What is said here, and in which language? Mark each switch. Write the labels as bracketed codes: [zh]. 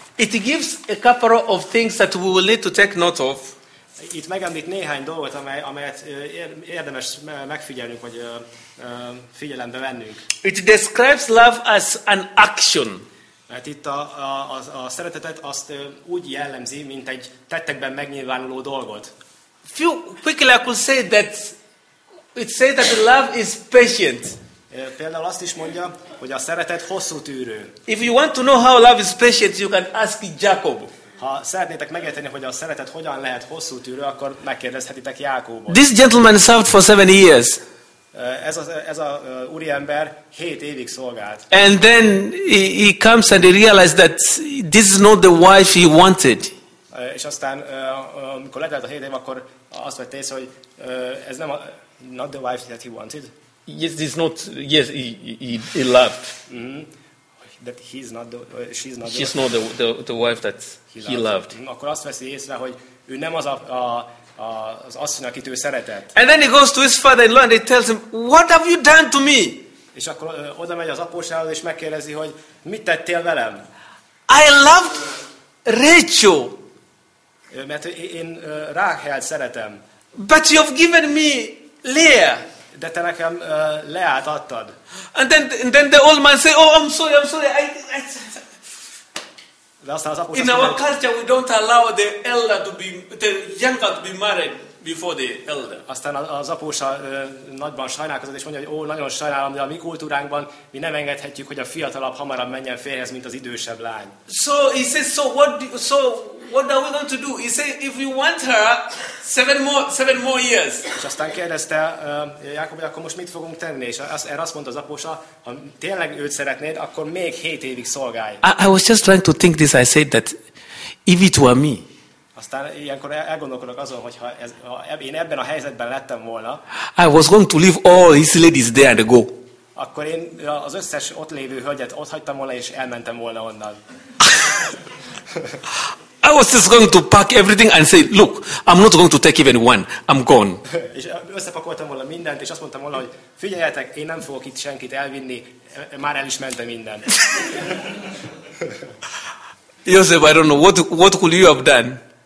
[en] It gives a couple of things that we will need to take note of. [hu] Itt megemlít néhány dolgot, amelyet érdemes megfigyelnünk, vagy figyelembe vennünk. [en] It describes love as an action. [hu] Mert itt a szeretetet azt úgy jellemzi, mint egy tettekben megnyilvánuló dolgot. [en] Few quickly I could say that it says that love is patient. [hu] Például azt is mondja, hogy a szeretet hosszú tűrő. [en] If you want to know how love is patient, you can ask Jacob. [hu] Ha szeretnétek megérteni, hogy a szeretet hogyan lehet hosszú tűrő, akkor megkérdezhetitek Jákobot. [en] This gentleman served for 7 years. [hu] Ez a úriember 7 évig szolgált. [en] And then he comes and he realized that this is not the wife he wanted. [hu] És aztán, amikor letelt a 7 év, akkor azt vett észre, hogy ez nem a [en] not the wife that he wanted. Yes, this is not. Yes, he loved. Mm-hmm. That he's not the, she's not the. She's not the wife that he loved. [hu] Akkor azt veszi észre, hogy ő nem az az asszony, akit ő szeretett. [en] And then he goes to his father-in-law and he tells him, what have you done to me? [hu] És akkor oda megy az apósához és megkérdezi, hogy mit tettél velem? [en] I loved Rachel. [hu] Mert én Ráhelt szeretem. [en] But you have given me Leah. [hu] De te nekem Leát adtad. [en] And then the old man say, oh, I'm sorry, I [hu] De aztán az apostasok. [en] In our culture we don't allow the elder to be the younger to be married before the elder. [hu] Aztán az apósa nagyban sajnálkozott és mondja, hogy ó, nagyon sajnálom, de a mi kultúránkban mi nem engedhetjük, hogy a fiatalabb hamarabb menjen férjhez, mint az idősebb lány. [en] So he says, so what are we going to do? He says, if you want her, seven more years. [hu] És aztán kérdezte Jákob, akkor most mit fogunk tenni? És erre azt mondta az apósa, ha tényleg őt szeretnéd, akkor még 7 évig szolgálj. [en] I was just trying to think this. I said that if it were me. [hu] Aztán ilyenkor elgondolkodok azon, hogy ha én ebben a helyzetben lettem volna, [en] I was going to leave all his ladies there and go. [hu] Akkor én az összes ott lévő hölgyet ott hagytam volna és elmentem volna onnan. [en] I was just going to pack everything and say, look, I'm not going to take even one. I'm gone. [hu] És összepakoltam volna mindent és azt mondtam volna, hogy figyeljetek, én nem fogok itt senkit elvinni, már el is mentem mindent. [en] Joseph, I don't know what could you have done.